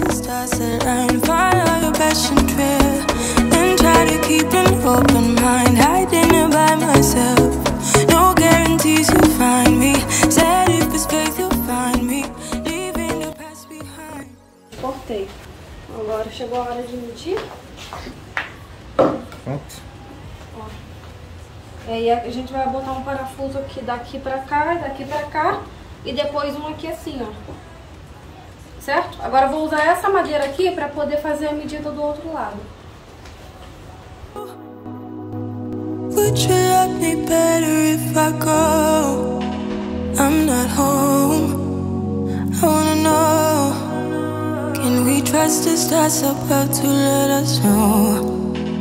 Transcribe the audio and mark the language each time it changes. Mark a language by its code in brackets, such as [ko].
[en] And follow your passion trail, and try to keep an open mind. Hiding it by myself, no guarantees you'll find me. Said if it's faith you'll find me, leaving the past behind. [pt] Cortei. Agora chegou a hora de medir. Pronto. Ó. E aí a gente vai botar um parafuso aqui daqui pra cá, e depois um aqui assim, ó. Certo? Agora vou usar essa madeira aqui para poder fazer a medida do outro lado. [en] Would you love me better if I go? I'm not home. I wanna know. Can we trust the stars above to let us know?